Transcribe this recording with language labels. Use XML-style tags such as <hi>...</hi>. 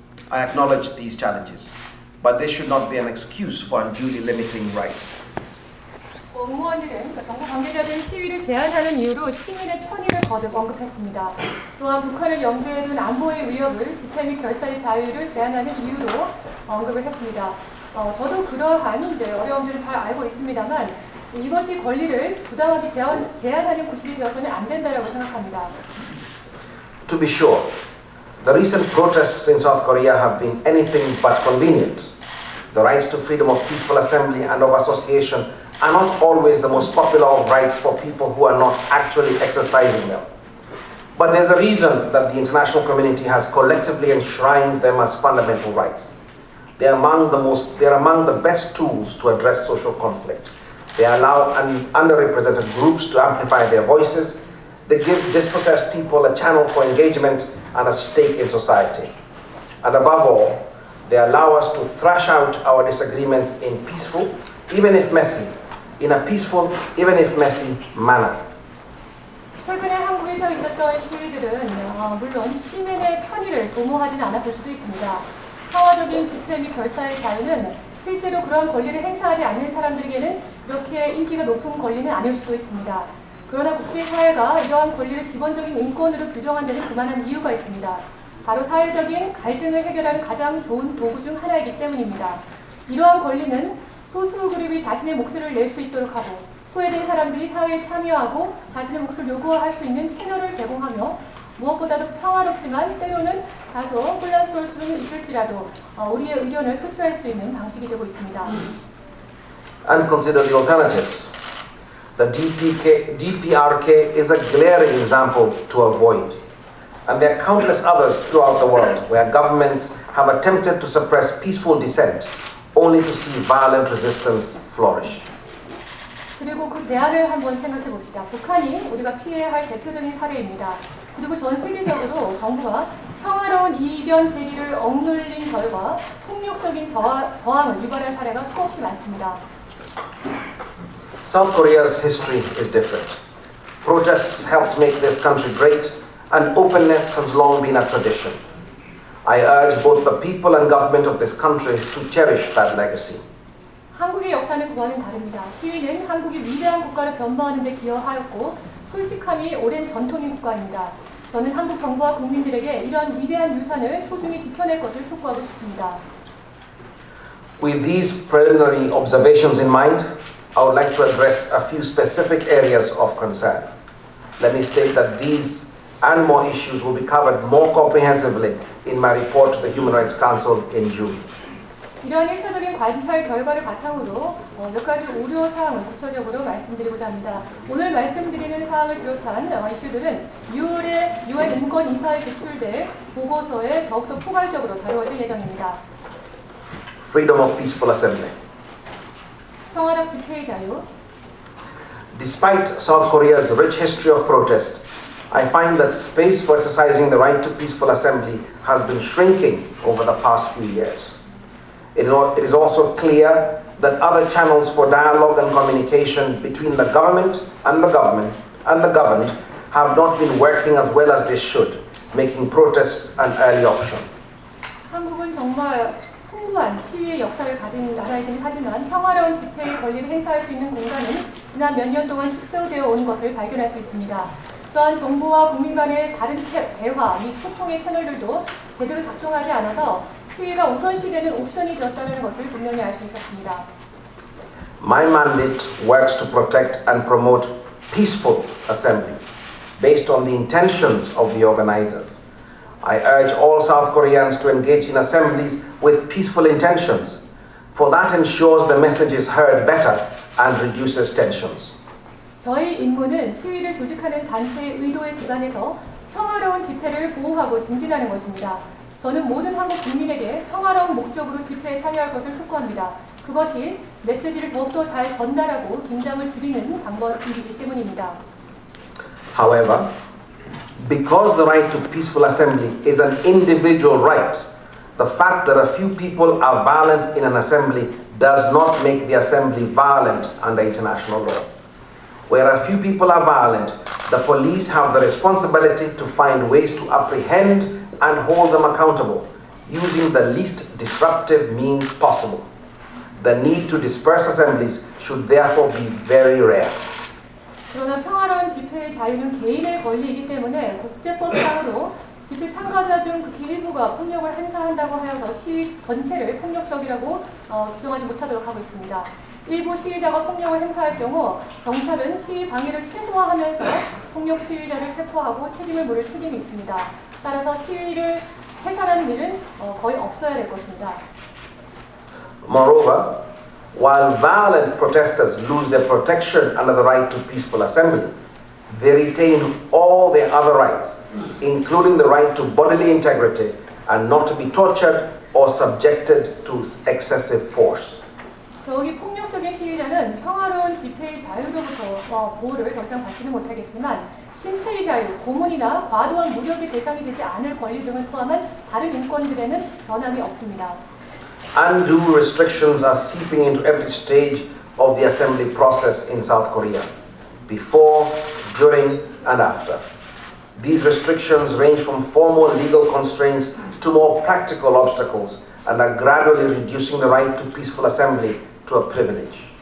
<en>I acknowledge these challenges, but they should not be an excuse for unduly limiting rights.</en> <ko>공무원들은 정부 관계자들의 시위를 제한하는 이유로 시민의 편의를 거듭 언급했습니다. 또한 북한을 염두에 둔 안보의 위협을 집회 및 결사의 자유를 제한하는 이유로 언급을 했습니다. 저도 그러한 어려움들을 잘 알고 있습니다만 이것이 권리를 부당하게 제한하는 구실이 되어서는 안 된다고 생각합니다.</ko> <en>To be sure, the recent protests in South Korea have been anything but convenient. The rights to freedom of peaceful assembly and of association are not always the most popular of rights for people who are not actually exercising them. But there's a reason that the international community has collectively enshrined them as fundamental rights. They are among the best tools to address social conflict. They allow underrepresented groups to amplify their voices. They give dispossessed people a channel for engagement and a stake in society. And above all, they allow us to thrash out our disagreements in peaceful, even if messy, in a peaceful, even if messy, manner.</en> <ko>최근에 한국에서 있었던 시위들은 물론 시민의 편의를 도모하진 않았을 수도 있습니다. 사회적인 집회 및 결사의 자유는 실제로 그러한 권리를 행사하지 않는 사람들에게는 그렇게 인기가 높은 권리는 아닐 수도 있습니다. 그러나 국제사회가 이러한 권리를 기본적인 인권으로 규정한 데는 그만한 이유가 있습니다. 바로 사회적인 갈등을 해결하는 가장 좋은 도구 중 하나이기 때문입니다. 이러한 권리는 소수 그룹이 자신의 목소리를 낼 수 있도록 하고 소외된 사람들이 사회에 참여하고 자신의 목소리를 요구할 수 있는 채널을 제공하며 무엇보다도 평화롭지만 때로는 다소 혼란스러울 수는 있을지라도 우리의 의견을 표출할 수 있는 방식이 되고 있습니다.</ko> <en>And consider the alternatives. The DPRK is a glaring example to avoid. And there are countless others throughout the world where governments have attempted to suppress peaceful dissent only to see violent resistance flourish.</en> <ko>그리고 그 대안을 한번 생각해 봅시다. 북한이 우리가 피해야 할 대표적인 사례입니다. 그리고 전 세계적으로 정부가 평화로운 이견 제기를 억눌린 결과 폭력적인 저항을 유발한 사례가 수없이 많습니다.</ko> <en>South Korea's history is different. Protests helped make this country great, and openness has long been a tradition. I urge both the people and government of this country to cherish that legacy.</en> <ko>한국의 역사는 그와는 다릅니다. 시위는 한국이 위대한 국가를 변모하는 데 기여하였고, 솔직함이 오랜 전통인 국가입니다. 저는 한국 정부와 국민들에게 이러한 위대한 유산을 소중히 지켜낼 것을 촉구하고 싶습니다.</ko> <en>With these preliminary observations in mind, I would like to address a few specific areas of concern. Let me state that these and more issues will be covered more comprehensively in my report to the Human Rights Council in June.</en> <ko>이러한 1차적인 관찰 결과를 바탕으로 몇 가지 우려 사항을 구체적으로 말씀드리고자 합니다. 오늘 말씀드리는 사항을 비롯한 이슈들은 6월에 UN 인권 이사회 제출될 보고서에 더욱더 포괄적으로 다루어질 예정입니다.</ko> <en>Freedom of peaceful assembly.</en> <ko>평화적 집회의 자유.</ko> <en>Despite South Korea's rich history of protest, I find that space for exercising the right to peaceful assembly has been shrinking over the past few years. It is also clear that other channels for dialogue and communication between the government and the government and the governed have not been working as well as they should, making protests an early option.</en> <ko>한국은 정말 풍부한 시위의 역사를 가진 나라이긴 하지만 평화로운 집회의 권리를 행사할 수 있는 공간은 지난 몇 년 동안 축소되어 온 것을 발견할 수 있습니다. 또한 정부와 국민 간의 다른 대화 및 소통의 채널들도 제대로 작동하지 않아서 시위가 우선시되는 옵션이 되었다는 것을 분명히 알 수 있었습니다.</ko> <en>My mandate works to protect and promote peaceful assemblies based on the intentions of the organizers. I urge all South Koreans to engage in assemblies with peaceful intentions, for that ensures the message is heard better and reduces tensions.</en> <ko>저희 임무는 시위를 조직하는 단체의 의도에 기반해서 평화로운 집회를 보호하고 증진하는 것입니다. 저는 모든 한국 국민에게 평화로운 목적으로 집회에 참여할 것을 촉구합니다. 그것이 메시지를 더욱더 잘 전달하고 긴장을 줄이는 방법이기 때문입니다.</ko> <en>However, because the right to peaceful assembly is an individual right, the fact that a few people are violent in an assembly does not make the assembly violent under international law. Where a few people are violent, the police have the responsibility to find ways to apprehend and hold them accountable using the least disruptive means possible. The need to disperse assemblies should therefore be very rare.</en> <ko>그러나 평화로운 집회의 자유는 개인의 권리이기 때문에 국제법상으로 집회 참가자 중 극히 일부가 폭력을 행사한다고 하여서 시위 전체를 폭력적이라고 규정하지 못하도록 하고 있습니다. 일부 시위자가 폭력을 행사할 경우 경찰은 시위 방해를 최소화하면서 폭력 시위자를 체포하고 책임을 물을 책임이 있습니다. 따라서 시위를 해산하는 일은 거의 없어야 될 것입니다.</ko> <en>Moreover, while violent protesters lose their protection under the right to peaceful assembly, they retain all their other rights, including the right to bodily integrity and not to be tortured or subjected to excessive force.</en> <ko>더욱이 폭력적인 시위자는 평화로운 집회의 자유로부터 보호를 더 이상 받지는 못하겠지만 신체의 자유, 고문이나 과도한 무력의 대상이 되지 않을 권리 등을 포함한 다른 인권들에는 변함이 없습니다.</ko> <en>Undue restrictions are seeping into every stage of the assembly process in South Korea, before, during, and after. These restrictions range from formal legal constraints to more practical obstacles and are gradually reducing the right to peaceful assembly to a privilege.</en>